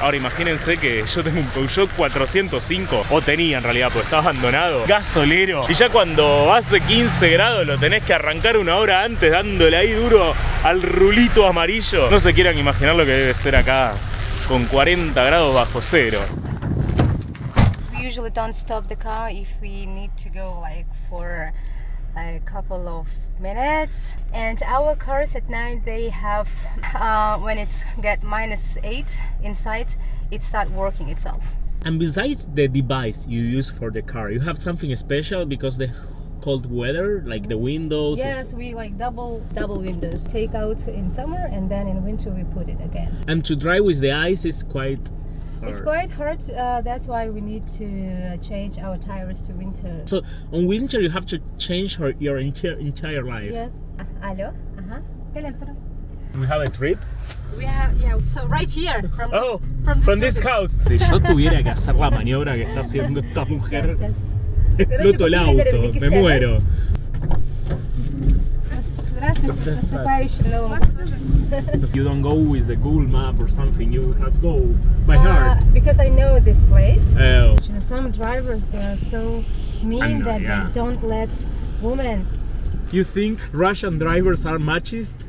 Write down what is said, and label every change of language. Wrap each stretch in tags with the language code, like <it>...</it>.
<es>Ahora imagínense que yo tengo un Peugeot 405, o tenía en realidad, pues estaba abandonado, gasolero, y ya cuando hace 15 grados lo tenés que arrancar una hora antes dándole ahí duro al rulito amarillo. No se quieran imaginar lo que debe ser acá con 40 grados bajo cero.</es> <en>We usually don't stop the car if we need to go like for a couple of minutes, and our cars at night, they have when it's get -8 inside, it start working itself. And besides the device you use for the car, you have something special because the cold weather, like the windows? Yes, we like double windows, take out in summer and then in winter we put it again. And to drive with the ice is quite hard. It's quite hard, that's why we need to change our tires to winter. So, on winter you have to change your entire life? Yes. Hello?</en> <es>¿Qué le entra?</es> <en>We have a trip? So right here, from this house.</en> <es>Si yo tuviera que hacer la maniobra que está haciendo esta mujer, exploto el auto, me muero.</es> <en>You don't go with the Google map or something, you have to go by heart. Because I know this place. Oh. You know, some drivers, they are so mean they don't let women. You think Russian drivers are machist?</en>